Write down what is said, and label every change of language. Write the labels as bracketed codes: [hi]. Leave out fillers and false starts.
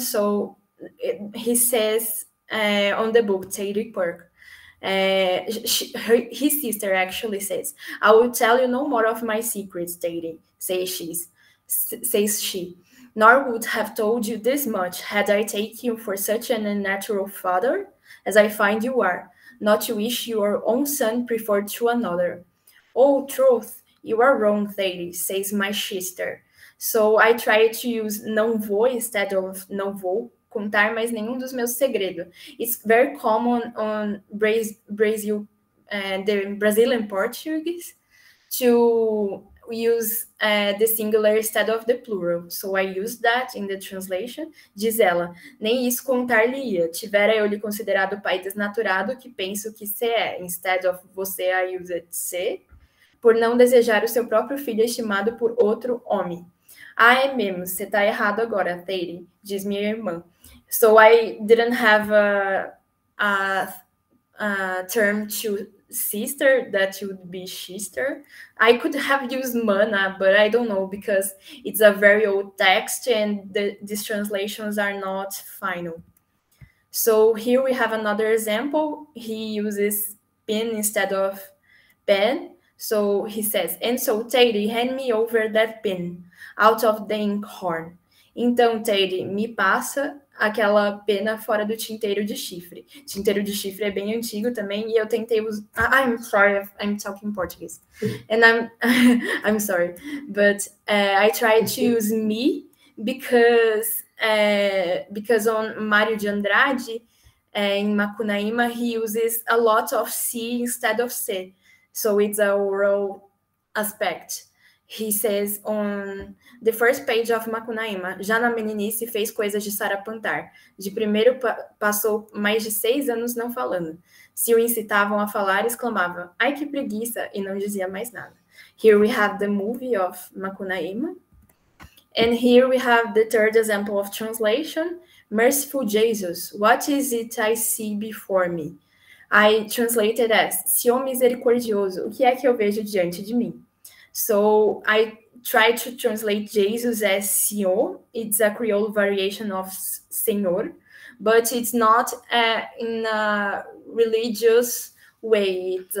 [en] So he says on the book, Thady Quirk, his sister actually says, "I will tell you no more of my secrets, Thady," says she. "Nor would have told you this much had I taken you for such an unnatural father as I find you are, not to wish your own son preferred to another." "Oh, truth, you are wrong, Thady," says my sister. So I try to use [pt] não vou [en] instead of [pt] não vou contar mais nenhum dos meus segredos. [en] It's very common on Brazil, the Brazilian Portuguese to use the singular instead of the plural. So I use that in the translation. [pt] Diz ela, nem isso contar-lhe-ia. Tivera eu lhe considerado pai desnaturado, que penso que cê é. [en] Instead of você, I use it cê. [pt] Por não desejar o seu próprio filho estimado por outro homem. Ah, é mesmo. Você tá errado agora, Thady, diz minha irmã. [en] So I didn't have a term to sister, that would be sister. I could have used mana, but I don't know, because it's a very old text and these translations are not final. So here we have another example. He uses pen instead of pen. So he says, and so Thady, hand me over that pen out of the inkhorn. [pt] Então Thady, me passa aquela pena fora do tinteiro de chifre. Tinteiro de chifre é bem antigo também, e eu tentei usar... [en] I'm sorry, I'm talking Portuguese. And I'm sorry. But I tried to use me because on Mário de Andrade, in Macunaíma, he uses a lot of si instead of se. So it's a oral aspect. He says on the first page of Macunaíma, [pt] já na meninice fez coisas de sarapantar. De primeiro passou mais de 6 anos não falando. Se o incitavam a falar, exclamava, ai que preguiça, e não dizia mais nada. [en] Here we have the movie of Macunaíma. And here we have the third example of translation. Merciful Jesus, what is it I see before me? I translated as, [pt] Senhor misericordioso, o que é que eu vejo diante de mim? [en] So I try to translate Jesus as Senhor. It's a Creole variation of Senhor, but it's not in a religious way.